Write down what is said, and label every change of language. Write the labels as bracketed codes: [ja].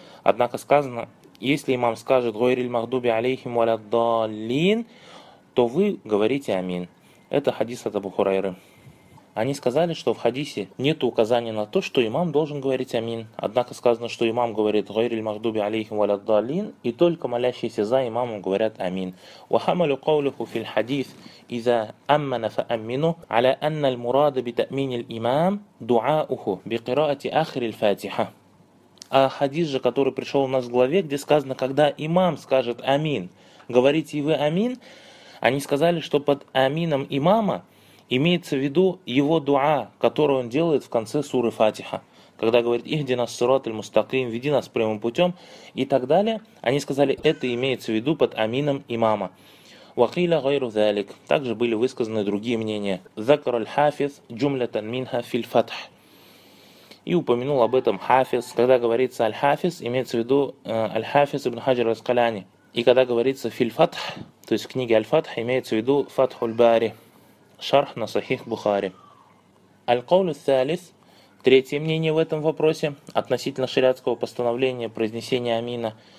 [ru] Однако сказано, если имам скажет [ar] «Гойриль махдуби алейхим валяддалин», [ru] то вы говорите амин. Это хадис от Абу Хурайры. Они сказали, что в хадисе нет указания на то, что имам должен говорить амин. Однако сказано, что имам говорит [ar] «Гойриль махдуби алейхим валяддалин», [ru] и только молящиеся за имамом говорят амин. [ar] «Вахамалю каулиху фил хадис». إذا أمن فأمنه على أن المراد بتأمين الإمام دعاؤه بقراءة آخر الفاتحة. [ru] А хадис же, который пришел у нас в главе, где сказано, когда имам скажет «Амин», говорите и вы «Амин», они сказали, что под «Амином» имама имеется в виду его дуа, который он делает в конце суры Фатиха. Когда говорит [ar] «Ихдина ссират аль-мустаким», [ru] «Веди нас прямым путем» и так далее, они сказали, это имеется в виду под «Амином» имама. [ar] وقيل غير ذلك. [ru] Также были высказаны другие мнения. [ar] ذكر الحافظ جملة منها في الفتح. [ru] И упомянул об этом Хафиз. Когда говорится Аль-Хафиз, имеется в виду Аль-Хафиз ибн Хаджар аль-Аскалани. И когда говорится Филь-Фатх, то есть в книге Аль-Фатх, имеется в виду Фатхуль-Бари, Шарх на Сахих Бухари. Аль-Каулю Салис, третье мнение в этом вопросе относительно шариатского постановления произнесения амина.